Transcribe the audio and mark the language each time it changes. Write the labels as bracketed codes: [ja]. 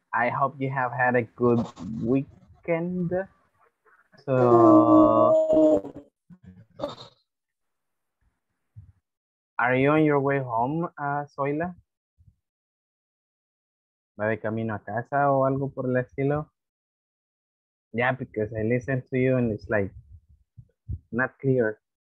[en] I hope you have had a good weekend. So, are you on your way home, Soyla? [es] ¿Va de camino a casa o algo por el estilo? [en] Yeah, because I listen to you and it's like not clear.